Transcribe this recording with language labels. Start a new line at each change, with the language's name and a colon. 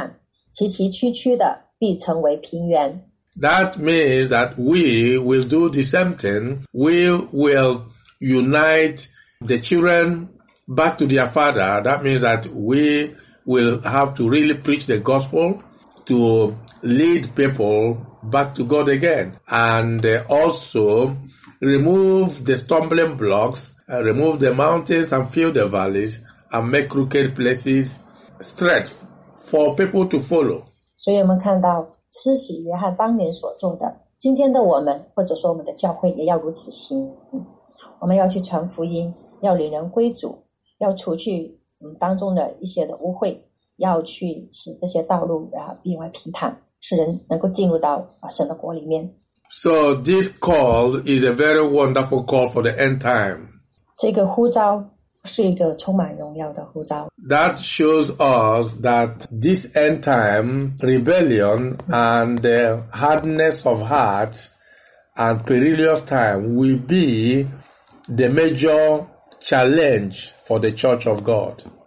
Chinese: 我们第四节说，一切的山洼都要填满，大小山岗都要削平，高高低低的要改为平坦，崎崎岖岖的
English: That means that we will do the same thing. We will unite the children back to their father. That means that we will have to really preach the gospel to lead people back to God again. And also remove the stumbling blocks, remove the mountains and fill the valleys, and make crooked places straight for people to follow.
Chinese: 所以我们看到施洗约翰当年所做的，今天的我们或者说我们的教会也要如此行。我们要去传福音，要领人归主，要除去当中的一些的污秽，要去使这些道路变为平坦，使人能够进入到神的国里面。
English: So this call is a very wonderful call for the end time.
Chinese: 这个呼召是一个充满荣耀的呼召。
English: That shows us that this end time rebellion and the hardness of hearts and perilous time will be the major challenge for the church of God.